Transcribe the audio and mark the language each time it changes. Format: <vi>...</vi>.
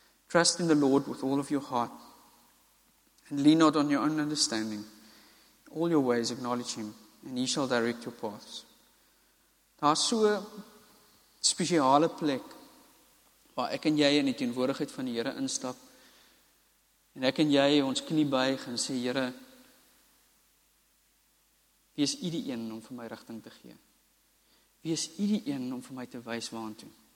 <en>Trust in the Lord with all of your heart and lean not on your own understanding. All your ways acknowledge him and he shall direct your paths.</en> <af>Daar is so 'n spesiale plek waar ek en jy in die teenwoordigheid van die Here instap en ek en jy ons knie buig en sê, Here, wees u die een om vir my rigting te gee. Wees u die een om vir my te wys waartoe.</af>